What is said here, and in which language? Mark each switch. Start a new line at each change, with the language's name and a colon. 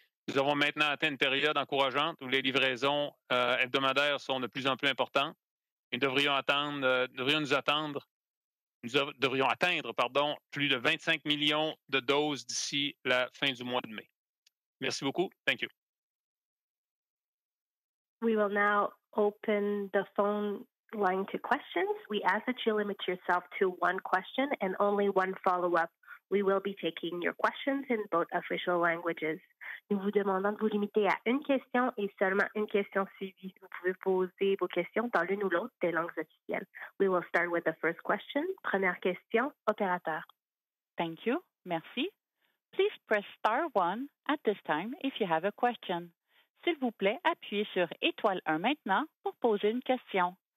French: Nous avons maintenant atteint une période encourageante où les livraisons hebdomadaires sont de plus en plus importantes. Nous devrions atteindre plus de 25 millions de doses d'ici la fin du mois de mai. Merci beaucoup.
English: Thank you. We will now open the phone line to questions. We ask that you limit yourself to one question and only one follow-up We will be taking your questions in both official languages.
French: Nous vous demandons de vous limiter à une question et seulement une question suivie. Vous pouvez poser vos questions dans l'une ou l'autre des langues officielles.
English: We will start with the first question.
French: Première question, opérateur.
English: Thank you. Merci. Please press star 1 at this time if you have a question.
French: S'il vous plaît, appuyez sur étoile 1 maintenant pour poser une question.